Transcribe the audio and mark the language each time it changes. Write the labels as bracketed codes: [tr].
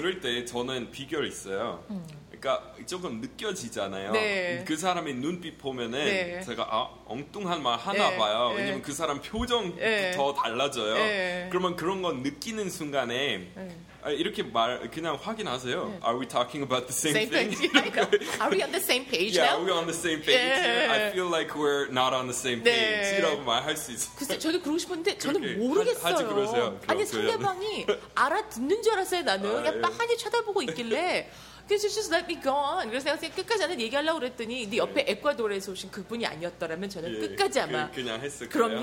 [ko] 근데 그럴 때 저는 비결이 있어요. 그러니까 조금 느껴지잖아요. 네. 그 사람의 눈빛 보면은 네. 제가 아, 엉뚱한 말 하나 네. 봐요. 네. 왜냐면 그 사람 표정부터 네. 달라져요. 네. 그러면 그런 건 느끼는 순간에 네. 이렇게 말 그냥 확인하세요. 네. [en] Are we talking about the same, same thing? Are we on the same page yeah, now? Yeah, are we on the same page yeah. here? I feel like we're not on the same page. [ko] 네. 이라고 말할 수 있어요. 글쎄, 저도 그러고 싶은데 저는 모르겠어요. 하지 그러세요. 아니, 상대방이 알아듣는 줄 알았어요, 나는. 아, 빤히 쳐다보고 있길래 그래서 [en] just let me go on. [ko] 그래서 내가 끝까지 안 얘기하려고 그랬더니 네 옆에 에콰도르에서 오신 그분이 아니었더라면 저는 예, 끝까지 아마 그냥 했을 그럼요, 거예요.